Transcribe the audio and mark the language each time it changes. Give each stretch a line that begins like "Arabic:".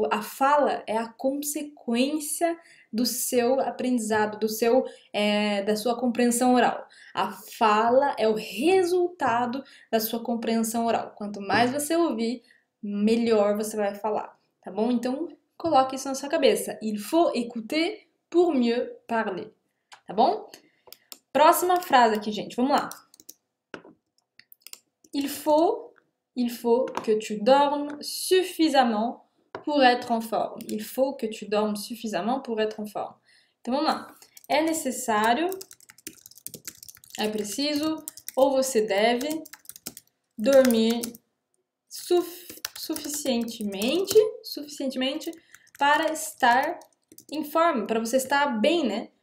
Portuguese: A fala é a consequência do seu aprendizado, da sua compreensão oral. A fala é o resultado da sua compreensão oral. Quanto mais você ouvir, melhor você vai falar, tá bom? Então, coloque isso na sua cabeça.
French: Il faut écouter pour mieux parler.
Portuguese: Tá bom? Próxima frase aqui, gente. Vamos lá.
French: Il faut que tu dormes suffisamment pour être en forme. Il faut que tu dormes suffisamment pour être en forme.
Portuguese: Então vamos lá. É necessário, é preciso ou você deve dormir suficientemente para estar em forma, para você estar bem, né?